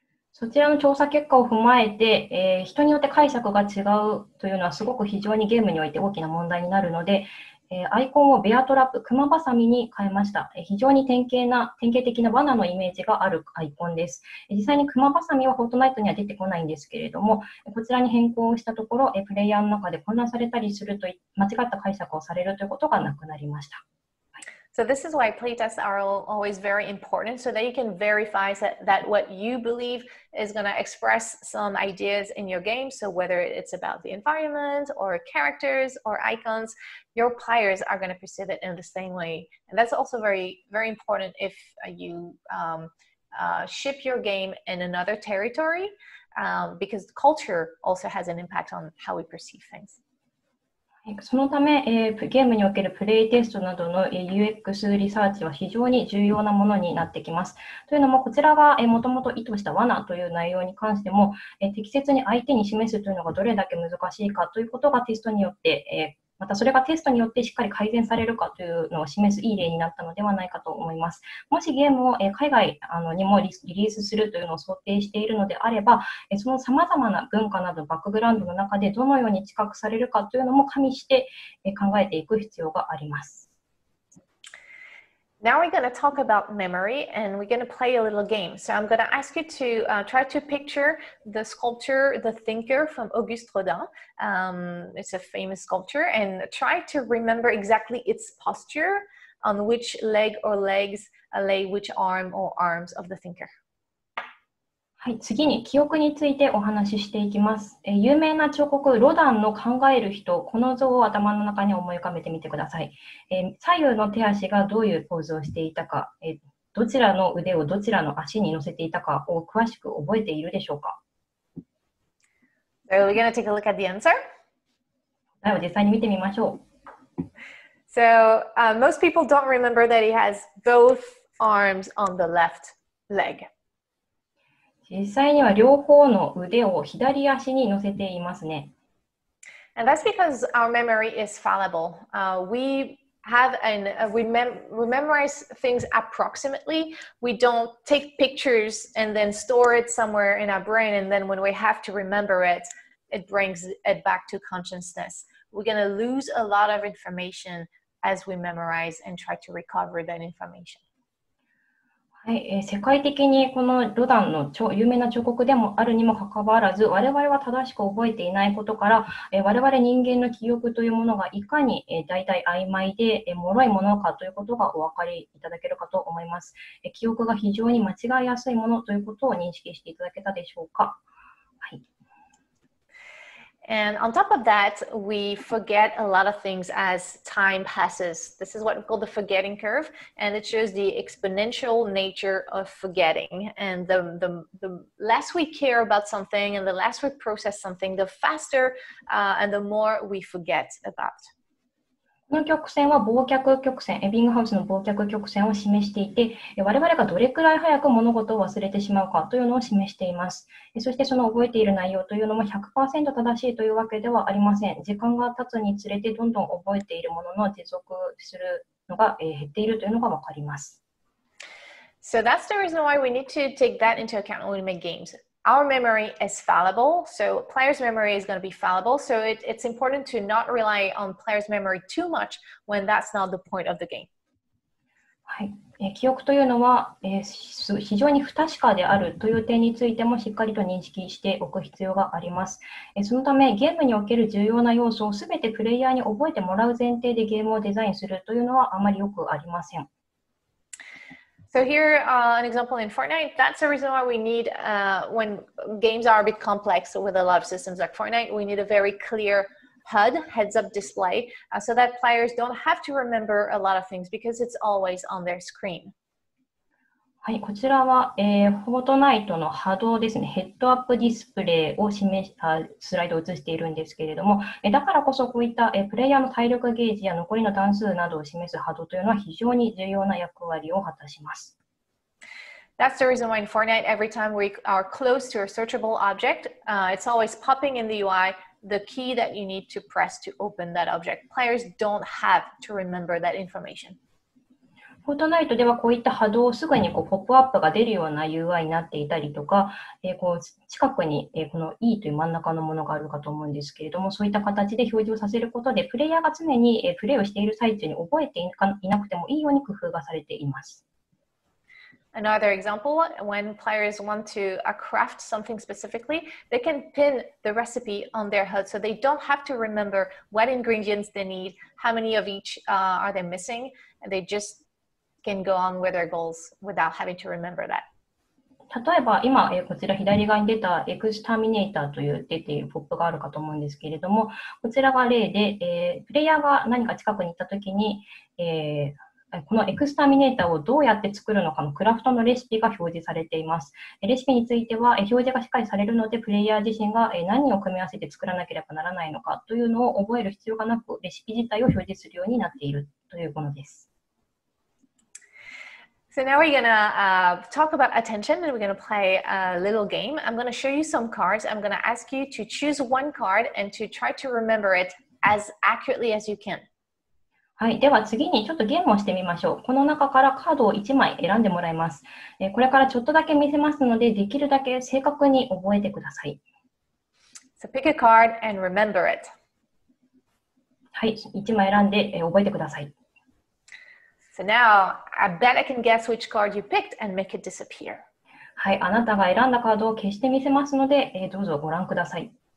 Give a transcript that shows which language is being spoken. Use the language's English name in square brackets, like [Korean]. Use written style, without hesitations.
[Japanese] そちらの調査結果を踏まえて、人によって解釈が違うというのはすごく非常にゲームにおいて大きな問題になるので、アイコンをベアトラップ、クマバサミに変えました。非常に典型的な罠のイメージがあるアイコンです。実際にクマバサミはフォートナイトには出てこないんですけれども、こちらに変更したところ、プレイヤーの中で混乱されたりすると、間違った解釈をされるということがなくなりました。 [English] So this is why playtests are always very important, so that you can verify that what you believe is going to express some ideas in your game. So whether it's about the environment or characters or icons, your players are going to perceive it in the same way. And that's also very, very important if you ship your game in another territory, because culture also has an impact on how we perceive things. [Japanese] そのため、ゲームにおけるプレイテストなどの UX リサーチは非常に重要なものになってきます。というのも、こちらがもともと意図した罠という内容に関しても、適切に相手に示すというのがどれだけ難しいかということがテストによって、またそれがテストによってしっかり改善されるかというのを示すいい例になったのではないかと思います。もしゲームを海外にもリリースするというのを想定しているのであれば、そのさまざまな文化などバックグラウンドの中でどのように知覚されるかというのも加味して考えていく必要があります。 [English] Now we're going to talk about memory and we're going to play a little game. So I'm going to ask you to try to picture the sculpture, the thinker from Auguste Rodin. It's a famous sculpture, and try to remember exactly its posture, on which leg or legs lay which arm or arms of the thinker. [Japanese] はい、次に記憶についてお話ししていきます。有名な彫刻ロダンの考える人、この像を頭の中に思い浮かべてみてください。左右の手足がどういうポーズをしていたか、どちらの腕をどちらの足に乗せていたかを詳しく覚えているでしょうか。 [English] Are we going to take a look at the answer? [Japanese] 答えを実際に見てみましょう。 [English] So, most people don't remember that he has both arms on the left leg. [Japanese] 実際には両方の腕を左足に乗せていますね。 [English] And that's because our memory is fallible. We memorize things approximately. We don't take pictures and then store it somewhere in our brain. And then when we have to remember it, it brings it back to consciousness. We're going to lose a lot of information as we memorize and try to recover that information. [Japanese] はい、世界的にこのロダンの有名な彫刻でもあるにもかかわらず、我々は正しく覚えていないことから、我々人間の記憶というものがいかに大体曖昧で脆いものかということがお分かりいただけるかと思います。記憶が非常に間違いやすいものということを認識していただけたでしょうか。はい。 [English] And on top of that, we forget a lot of things as time passes. This is what we call the forgetting curve, and it shows the exponential nature of forgetting. And the less we care about something and the less we process something, the faster, and the more we forget about. [Japanese] この曲線は忘却曲線、エビングハウスの忘却曲線を示していて、我々がどれくらい早く物事を忘れてしまうかというのを示しています。そしてその覚えている内容というのも 100% 正しいというわけではありません。時間が経つにつれてどんどん覚えているものの持続するのが減っているというのがわかります。 [English] So that's the reason why we need to take that into account when we make games. Our memory is fallible, so players' memory is going to be fallible, so it's important to not rely on players' memory too much when that's not the point of the game. [Japanese] はい、記憶というのは、非常に不確かであるという点についてもしっかりと認識しておく必要があります。そのため、ゲームにおける重要な要素をすべてプレイヤーに覚えてもらう前提でゲームをデザインするというのはあまりよくありません。 [English] So here, an example in Fortnite, that's the reason why we need, when games are a bit complex with a lot of systems like Fortnite, we need a very clear HUD, heads-up display, so that players don't have to remember a lot of things because it's always on their screen. [Japanese] はい、こちらは、フォートナイトの波動ですね、ヘッドアップディスプレイを示したスライドを映しているんですけれども、だからこそこういった、プレイヤーの体力ゲージや残りの段数などを示す波動というのは非常に重要な役割を果たします。 [English] That's the reason why in Fortnite, every time we are close to a searchable object, it's always popping in the UI the key that you need to press to open that object. Players don't have to remember that information. [Japanese] フォートナイトではこういった波動をすぐにこうポップアップが出るような UI になっていたりとか、こう近くにこの E という真ん中のものがあるかと思うんですけれども、そういった形で表示をさせることで、プレイヤーが常にプレイをしている最中に覚えていなくてもいいように工夫がされています。 [English] Another example, when players want to craft something specifically, they can pin the recipe on their HUD so they don't have to remember what ingredients they need, how many of each are they missing, and they just can go on with their goals without having to remember that. [Japanese] 例えば今こちら左側に出たエクスターミネーターという出ているポップがあるかと思うんですけれども、こちらが例で、プレイヤーが何か近くに行ったときに、このエクスターミネーターをどうやって作るのかのクラフトのレシピが表示されています。レシピについては表示がしっかりされるので、プレイヤー自身が何を組み合わせて作らなければならないのかというのを覚える必要がなく、レシピ自体を表示するようになっているというものです。 [English] So now we're going to talk about attention and we're going to play a little game. I'm going to show you some cards. I'm going to ask you to choose one card and to try to remember it as accurately as you can. [Japanese] はい、では次にちょっとゲームをしてみましょう。この中からカードを1枚選んでもらいます。これからちょっとだけ見せますので、できるだけ正確に覚えてください。 [English] So pick a card and remember it. [Japanese] はい、1枚選んで覚えてください。 [English] So now, I bet I can guess which card you picked and make it disappear. [Japanese] はい、あなたが選んだカードを消してみせますので、どうぞご覧ください。